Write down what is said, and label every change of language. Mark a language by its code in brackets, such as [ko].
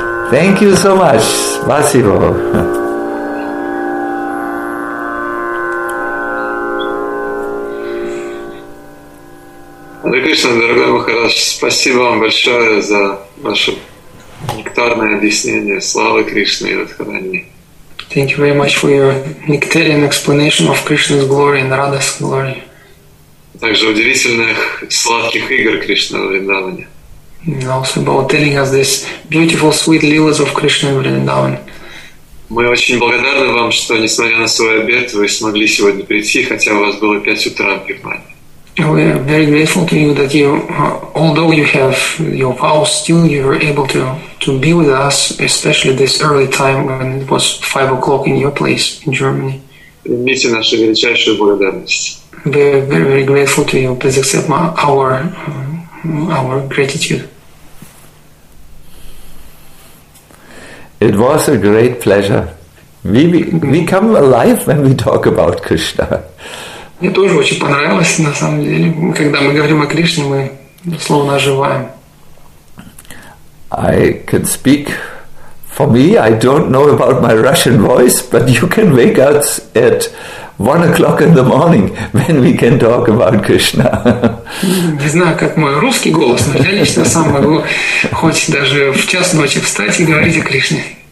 [en] Thank you so much, Vasivo. [ru] Дорогой Махарадж, спасибо вам большое за ваше нектарное объяснение славы Кришны и Радхарани. [en] Thank you very much for your nectarian explanation of Krishna's glory and Radha's glory. [ru] Также удивительных сладких игр Кришны в Вриндаване. [en] And also about telling us this beautiful sweet lilas of Krishna in Vrindavan. [ru] Мы очень благодарны вам, что, несмотря на свой обед, вы смогли сегодня прийти, хотя у вас было 5 утра в Германии. [en] We are very grateful to you that you, although you have your pause, still you were able to be with us, especially this early time when it was 5 o'clock in your place in Germany. [ru] Примите нашу величайшую благодарность. [en] We are very, very grateful to you. Please accept our gratitude. It was a great pleasure. We come alive when we talk about Krishna. [ru] Мне тоже очень понравилось, на самом деле. Когда мы говорим о Кришне, мы словно оживаем. [en] I can speak for me. I don't know about my Russian voice, but you can wake us at 1 o'clock in the morning when we can talk about Krishna. [ru] Не знаю, как мой русский голос, но я лично сам могу хоть даже в час ночи встать и говорить о Кришне.